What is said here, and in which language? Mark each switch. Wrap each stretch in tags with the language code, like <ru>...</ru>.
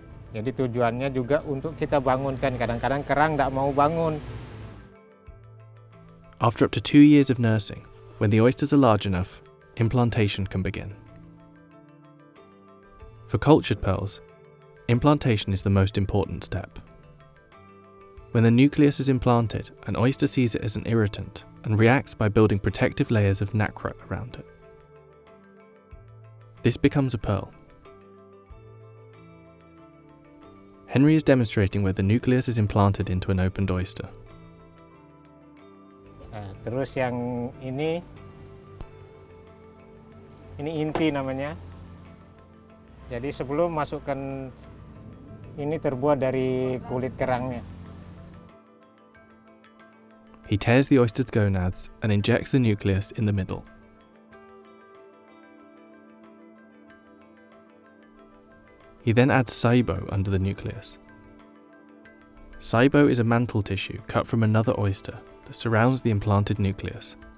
<id>Jadi tujuannya juga untuk kita bangunkan. Kadang-kadang kerang enggak mau bangun.</id> <en>After up to 2 years of nursing, when the oysters are large enough, implantation can begin. For cultured pearls, implantation is the most important step. When the nucleus is implanted, an oyster sees it as an irritant and reacts by building protective layers of nacre around it. This becomes a pearl. Henry is demonstrating where the nucleus is implanted into an opened oyster.</en> <id>Terus yang ini inti namanya. Jadi sebelum masukkan ini terbuat dari kulit kerangnya.</id> <en>He tears the oyster's gonads and injects the nucleus in the middle. He then adds saibo under the nucleus. Saibo is a mantle tissue cut from another oyster that surrounds the implanted nucleus.</en>